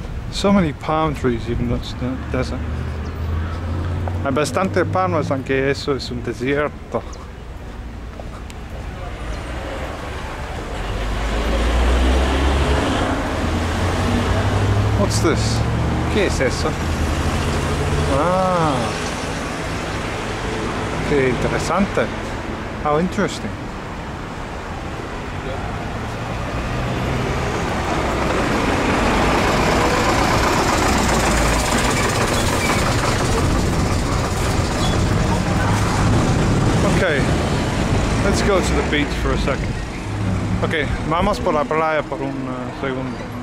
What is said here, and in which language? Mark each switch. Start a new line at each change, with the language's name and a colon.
English: so many palm trees even though it's desert.
Spanish: Hay bastante palmas aunque eso es un desierto.
English: What's this?
Spanish: ¿Qué es eso? Ah, qué interesante.
English: How interesting. Okay, let's go to the beach for a second.
Spanish: Okay, vamos por la playa por un segundo.